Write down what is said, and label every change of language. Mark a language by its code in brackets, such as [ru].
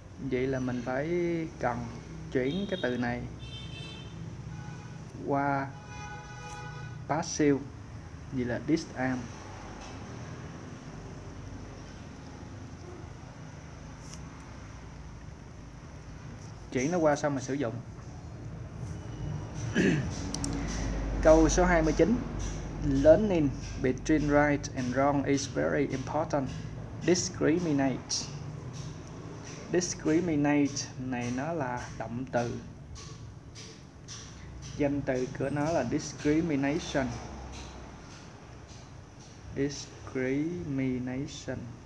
[vi] Vậy là mình phải cần chuyển cái từ này qua passive, vậy là disarm. Chuyển nó qua xong mình sử dụng. Câu số 29. [en] Learning between right and wrong is very important. Discriminate. [vi] Discriminate này nó là động từ. Danh từ của nó là discrimination. [en] Discrimination.